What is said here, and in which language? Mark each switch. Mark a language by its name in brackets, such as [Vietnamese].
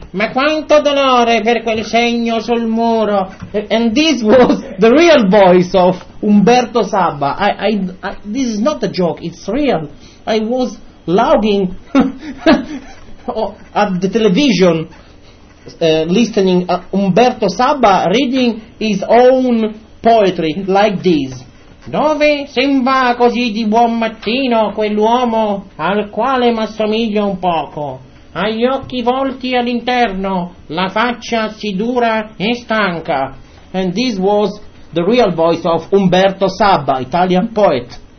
[Italian] Ma quanto dolore per quel segno sul muro. [English] And this was the real voice of Umberto Saba. I this is not a joke, it's real. I was laughing at the television listening Umberto Saba reading his own poetry like this. [Italian] Dove sembra così di buon mattino quell'uomo al quale m'assomiglia un poco. Ha gli occhi volti all'interno, la faccia si dura e stanca. [English] And this was the real voice of Umberto Saba, Italian poet.